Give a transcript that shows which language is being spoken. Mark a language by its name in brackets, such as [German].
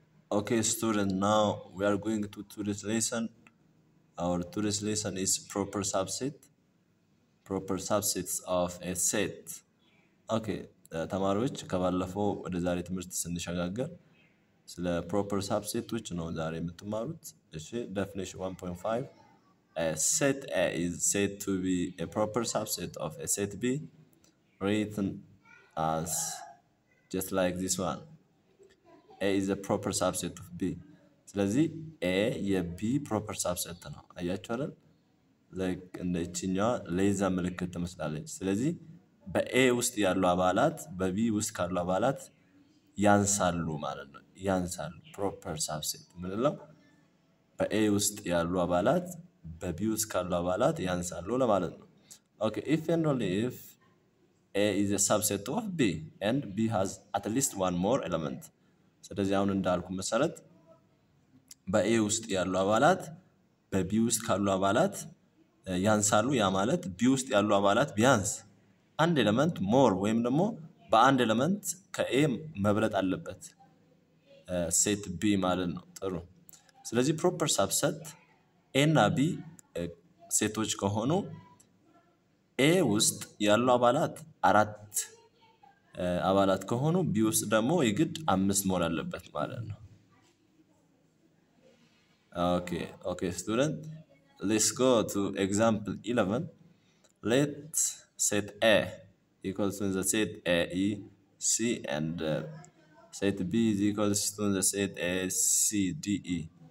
[English] Okay, student, now we are going to today's lesson. Our today's lesson is proper subset. Proper subsets of a set. [Amharic] Okay, ተማሪዎች ከባለፈው ወደ ዛሬ ትምህርት ስንሸጋገር ስለ proper subsets ነው ዛሬ የምትማሩት። እሺ, definition 1.5. [English] A set A is said to be a proper subset of a set B written as just like this one. A is a proper subset of B. [Amharic] ስለዚህ A የB proper subset ነው. አያችሁ አይደል? ለክ እንደችኛ ሌዛ ምልክት ተመስላለች. ስለዚህ በA ውስጥ ያሉ አባላት በB ውስጥ ካሉ አባላት ያንሳሉ ማለት ነው. ያንሳሉ proper subset ምንለው? በA ውስጥ ያሉ አባላት በB ውስጥ ካሉ አባላት ያንሳሉ ለማለት ነው. [English] Okay, if and only if A is a subset of B and B has at least one more element. [Amharic] ስለዚህ አሁን እንዳልኩ መሰረት በኤ ውስጥ ያሉ አባላት በቢ ውስጥ ካሉ አባላት ያንሳሉ. ያ ማለት ቢ ውስጥ ያሉ አባላት ቢያንስ አንድ ኤሌመንት ሞር ወይም ደግሞ በአንድ ኤሌመንት ከኤ መብለጥ አለበት ሴት ቢ ማለት ነው. ጥሩ. ስለዚህ ፕሮፐር ሰብሰት ኤ እና ቢ ሴቶች ከሆኑ ኤ ውስጥ ያሉ አባላት አራት አባላት ከሆኑ ቢ ውስጥ ደግሞ ይግድ አምስት መሆን አለበት ማለት ነው. [English] ኦኬ ኦኬ student, let's go to example 11. Let set A equals to the set A E C and set B is equals to the set A C D E.